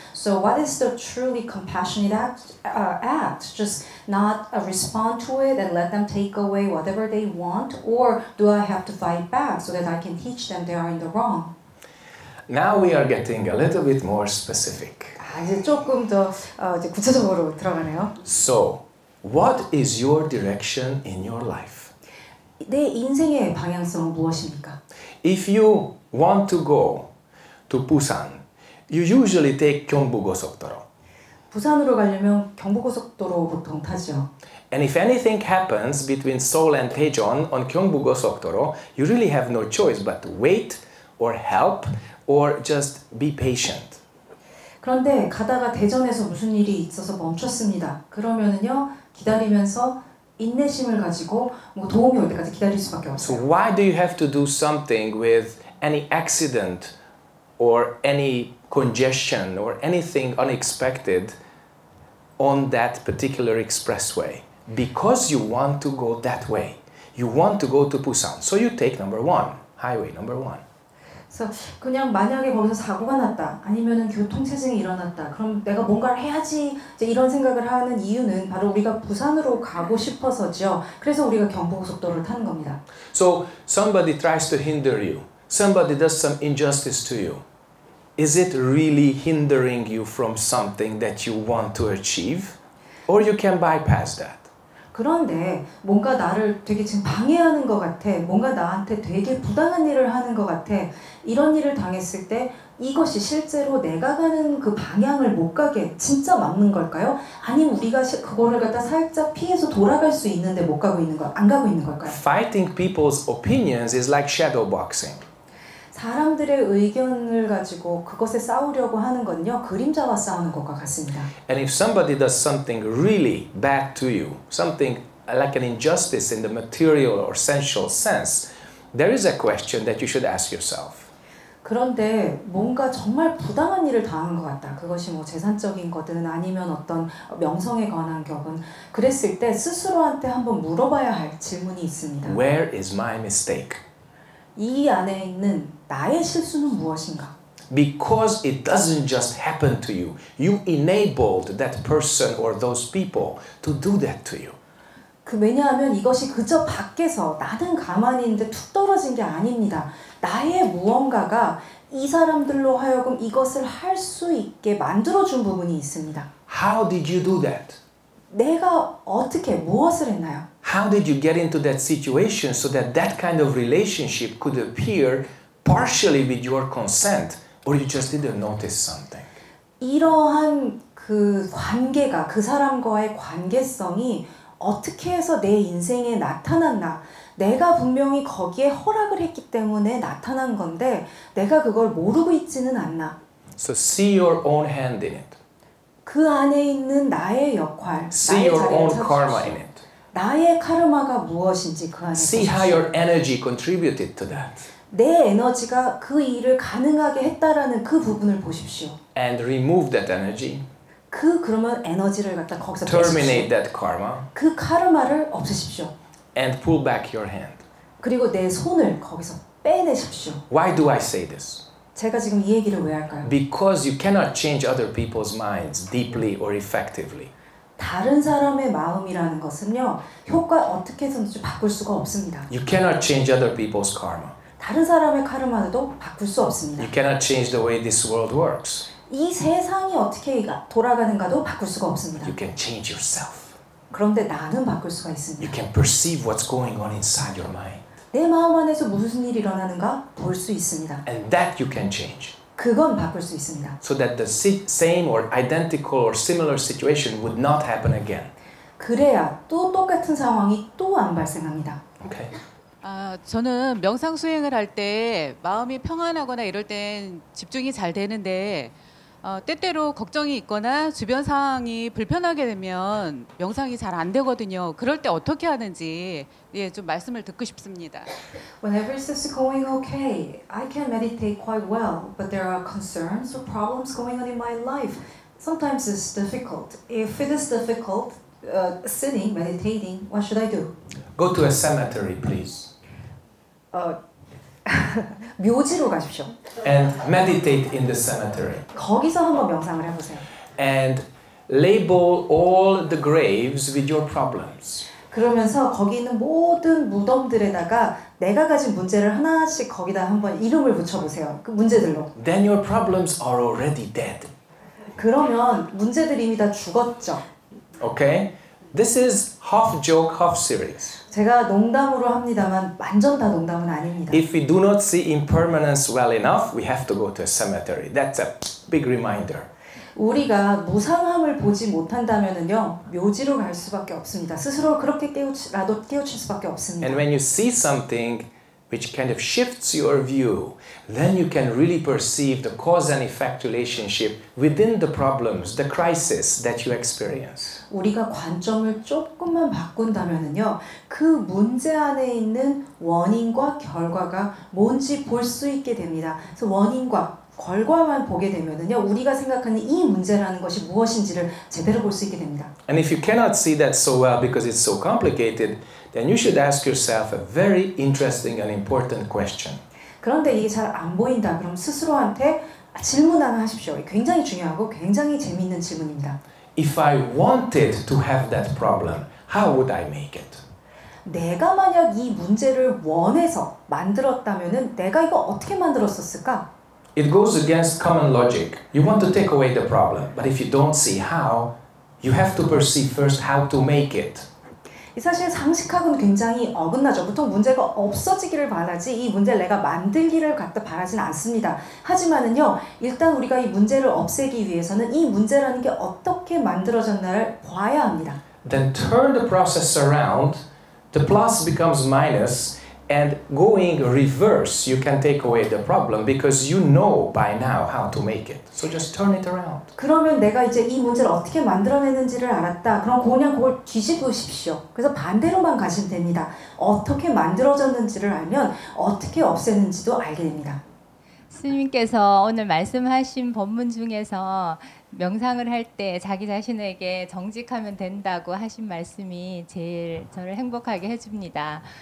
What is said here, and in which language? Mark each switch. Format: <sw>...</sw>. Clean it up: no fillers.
<en>So what is the truly compassionate act? Just not respond to it and let them take away whatever they want? Or do I have to fight back so that I can teach them they are in the wrong? Now we are getting a little bit more specific.</en> <ko>이제 조금 더 이제 구체적으로 들어가네요.</ko> <en>So, what is your direction in your life?</en> <ko>내 인생의 방향성은 무엇입니까?</ko> <en>If you want to go to Busan, you usually take 경부고속도로.</en> <ko>부산으로 가려면 경부고속도로 보통 타죠.</ko> <en>And if anything happens between Seoul and Daejeon on 경부고속도로, you really have no choice but to wait or help or just be patient.</en> <ko>그런데 가다가 대전에서 무슨 일이 있어서 멈췄습니다. 그러면은요 기다리면서 인내심을 가지고 뭐 도움이 올 때까지 기다릴 수밖에 없어요.</ko> <en>So why do you have to do something with any accident or any congestion or anything unexpected on that particular expressway? Because you want to go that way. You want to go to Busan. So you take number one, highway number one.</en> <ko>그냥 만약에 거기서 사고가 났다 아니면은 교통체증이 일어났다 그럼 내가 뭔가를 해야지 이제 이런 생각을 하는 이유는 바로 우리가 부산으로 가고 싶어서죠. 그래서 우리가 경부고속도로를 타는 겁니다.</ko> <en>So somebody tries to hinder you. Somebody does some injustice to you. Is it really hindering you from something that you want to achieve? Or you can bypass that?</en> <ko>그런데 뭔가 나를 되게 지금 방해하는 것 같아. 뭔가 나한테 되게 부당한 일을 하는 것 같아. 이런 일을 당했을 때 이것이 실제로 내가 가는 그 방향을 못 가게 진짜 막는 걸까요? 아니면 우리가 그거를 갖다 살짝 피해서 돌아갈 수 있는데 못 가고 있는 거, 안 가고 있는 걸까요?</ko> <en>Fighting people's opinions is like shadow boxing.</en> <ko>사람들의 의견을 가지고 그것에 싸우려고 하는 건요, 그림자와 싸우는 것과 같습니다.</ko> <en>And if somebody does something really bad to you, something like an injustice in the material or sensual sense, there is a question that you should ask yourself.</en> <ko>그런데 뭔가 정말 부당한 일을 당한 것 같다. 그것이 뭐 재산적인 거든 아니면 어떤 명성에 관한 격은 그랬을 때 스스로한테 한번 물어봐야 할 질문이 있습니다.</ko> <en>Where is my mistake?</en> <ko>이 안에 있는 나의 실수는 무엇인가?</ko> <en>Because it doesn't just happen to you. You enabled that person or those people to do that to you.</en> <ko>그 왜냐하면 이것이 그저 밖에서 나는 가만히 있는데 툭 떨어진 게 아닙니다. 나의 무언가가 이 사람들로 하여금 이것을 할 수 있게 만들어준 부분이 있습니다.</ko> <en>How did you do that?</en> <ko>내가 어떻게 무엇을 했나요?</ko> <en>How did you get into that situation so that that kind of relationship could appear partially with your consent? Or you just didn't notice something?</en> <ko>이러한 그 관계가 그 사람과의 관계성이 어떻게 해서 내 인생에 나타났나? 내가 분명히 거기에 허락을 했기 때문에 나타난 건데 내가 그걸 모르고 있지는 않나?</ko> <en>So see your own hand in it.</en> <ko>그 안에 있는 나의 역할,</ko> <en>see your</en> <ko>자리를</ko> <en>own</en> <ko>찾으시오.</ko> <en>Karma in it.</en> <ko>나의 카르마가 무엇인지 그 안에</ko> <en>see</en> <ko>찾으시오.</ko> <en>How your energy contributed to that.</en> <ko>내 에너지가 그 일을 가능하게 했다라는 그 부분을 보십시오.</ko> <en>And remove that energy.</en> <ko>그 그러면 에너지를 갖다 거기서 빼십시오.</ko> <en>Terminate that karma.</en> <ko>그 카르마를 없애십시오.</ko> <en>And pull back your hand.</en> <ko>그리고 내 손을 거기서 빼내십시오.</ko> <en>Why do I say this?</en> <ko>제가 지금 이 얘기를 왜 할까요?</ko> <en>Because you cannot change other people's minds deeply or effectively.</en> <ko>다른 사람의 마음이라는 것은요, 효과 어떻게든지 바꿀 수가 없습니다.</ko> <en>You cannot change other people's karma.</en> <ko>다른 사람의 카르마도 바꿀 수 없습니다.</ko> <en>You cannot change the way this world works.</en> <ko>이 세상이 어떻게 돌아가는가도 바꿀 수가 없습니다.</ko> <en>You can change yourself.</en> <ko>그런데 나는 바꿀 수가 있습니다.</ko> <en>You can perceive what's going on inside your mind.</en> <ko>내 마음 안에서 무슨 일이 일어나는가 볼 수 있습니다.</ko> <en>And that you can change.</en> <ko>그건 바꿀 수 있습니다.</ko> <en>So that the same or identical or similar situation would not happen again.</en> <ko>그래야 또 똑같은 상황이 또 안 발생합니다.</ko> <en>Okay.</en> <ko>아, 저는 명상 수행을 할 때 마음이 평안하거나 이럴 땐 집중이 잘 되는데 때때로 걱정이 있거나 주변 상황이 불편하게 되면 명상이 잘 안 되거든요. 그럴 때 어떻게 하는지 예, 좀 말씀을 듣고 싶습니다.</ko> <en>Whenever it's just going okay, I can meditate quite well, but there are concerns or problems going on in my life. Sometimes it's difficult. If it is difficult, sitting, meditating, what should I do? Go to a cemetery, please.</en> <ko>묘지로 가십시오.</ko> <en>And meditate in the cemetery.</en> <ko>거기서 한번 명상을 해보세요.</ko> <en>And label all the graves with your problems.</en> <ko>그러면서 거기 있는 모든 무덤들에다가 내가 가진 문제를 하나씩 거기다 한번 이름을 붙여보세요. 그 문제들로.</ko> <en>Then your problems are already dead.</en> <ko>그러면 문제들이 이미 다 죽었죠.</ko> <en>Okay, this is half joke, half serious.</en> <ko>제가 농담으로 합니다만 완전 다 농담은 아닙니다.</ko> <en>If we do not see impermanence well enough, we have to go to a cemetery. That's a big reminder.</en> <ko>우리가 무상함을 보지 못한다면은요 묘지로 갈 수밖에 없습니다. 스스로 그렇게 깨우칠 수밖에 없습니다.</ko> <en>And when you see something which kind of shifts your view, then you can really perceive the cause and effect relationship within the problems, the crisis that you experience.</en> <ko>우리가 관점을 조금만 바꾼다면은요, 그 문제 안에 있는 원인과 결과가 뭔지 볼 수 있게 됩니다. 그래서 원인과 결과만 보게 되면은요, 우리가 생각하는 이 문제라는 것이 무엇인지를 제대로 볼 수 있게 됩니다.</ko> <en>And if you cannot see that so well because it's so complicated, then you should ask yourself a very interesting and important question.</en> <ko>그런데 이게 잘 안 보인다. 그럼 스스로한테 질문 하나 하십시오. 굉장히 중요하고 굉장히 재미있는 질문입니다.</ko> <en>If I wanted to have that problem, how would I make it?</en> <ko>내가 만약 이 문제를 원해서 만들었다면은 내가 이거 어떻게 만들었었을까?</ko> <en>It goes against common logic. You want to take away the problem, but if you don't see how, you have to perceive first how to make it.</en> <ko>사실 상식학은 굉장히 어긋나죠. 보통 문제가 없어지기를 바라지 이 문제를 내가 만들기를 갖다 바라진 않습니다. 하지만은요, 일단 우리가 이 문제를 없애기 위해서는 이 문제라는 게 어떻게 만들어졌나를 봐야 합니다.</ko> <en>Then turn the process around. The plus becomes minus. And going reverse, you can take away the problem because you know by now how to make it. So just turn it around.</en> <ko>그러면 내가 이제 이 문제를 어떻게 만들어내는지를 알았다. 그럼 그냥 그걸 뒤집으십시오. 그래서 반대로만 가시면 됩니다. 어떻게 만들어졌는지를 알면 어떻게 없애는지도 알게 됩니다. 스님께서 오늘 말씀하신 법문 중에서 명상을 할 때 자기 자신에게 정직하면 된다고 하신 말씀이 제일 저를 행복하게 해줍니다.</ko>